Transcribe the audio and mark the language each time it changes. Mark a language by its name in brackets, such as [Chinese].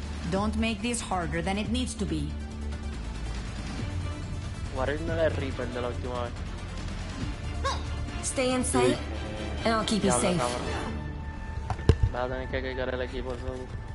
[English] Don't make this harder than it needs to be. [Spanish] Wario no era el Reaper de la última vez. [English] Stay in sight, and I'll keep you safe. [Spanish] Va a tener que cagar el equipo solo.